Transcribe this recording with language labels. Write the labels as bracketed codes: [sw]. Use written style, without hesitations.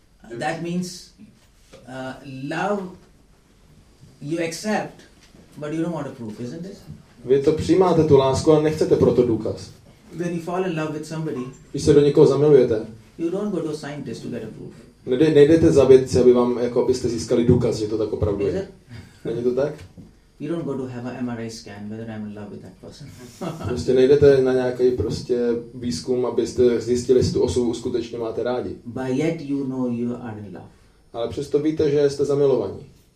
[en] That means love you accept, but you don't want a proof, isn't it? [cs] Vy to přijímáte tu lásku a nechcete proto důkaz. [en] When you fall in love with somebody, [cs] když se do někoho zamilujete, [en] you don't go to a scientist to get a proof. [cs] Nejdete za vědce, aby vám jako byste získali důkaz, že to tak opravdu je. Není to tak? [en] You don't go to have an MRI scan whether I'm in love with that person. [cs] Prostě nejdete na nějaký prostě výzkum, abyste zjistili, jestli tu osobu skutečně máte rádi. [en] But yet you know you are in love. [cs] Ale přesto víte, že jste zamilovaní.